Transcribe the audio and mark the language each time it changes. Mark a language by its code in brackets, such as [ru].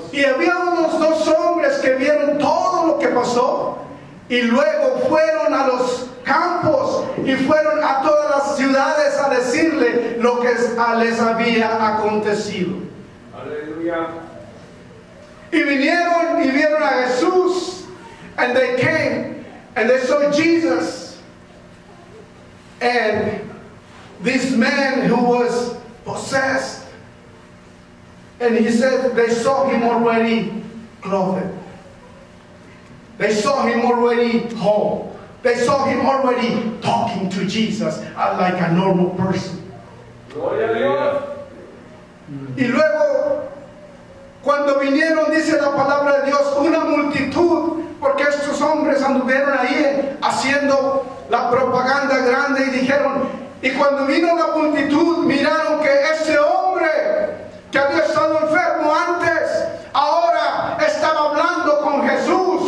[es] Y había unos dos hombres que vieron todo lo que pasó y luego fueron a los campos y fueron a todas las ciudades a decirle lo que les había acontecido. Aleluya. Y vinieron y vieron a Jesús, [en] and they came and they saw Jesus, and this man who was possessed, and he said they saw him already clothed, they saw him already whole, they saw him already talking to Jesus like a normal person. [es] Gloria a Dios. Y luego cuando vinieron, dice la palabra de Dios, una multitud, porque estos hombres anduvieron ahí haciendo la propaganda grande, y dijeron, y cuando vino la multitud, miraron que ese hombre que había estado enfermo antes, ahora estaba hablando con Jesús.